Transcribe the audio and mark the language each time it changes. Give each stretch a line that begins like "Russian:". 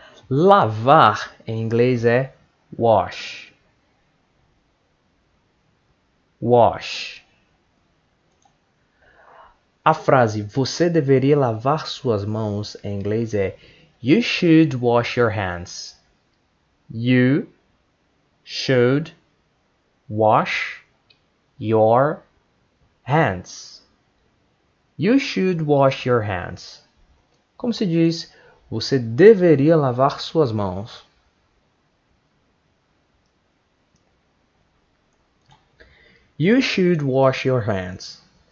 Portuguese: Lavar em inglês é wash.
English: Wash.
Portuguese: A frase você deveria lavar suas mãos em inglês é
English: you should wash your hands. You should wash your hands. You should wash your hands.
Portuguese: Como se diz, você deveria lavar suas mãos.
English: You should wash your hands.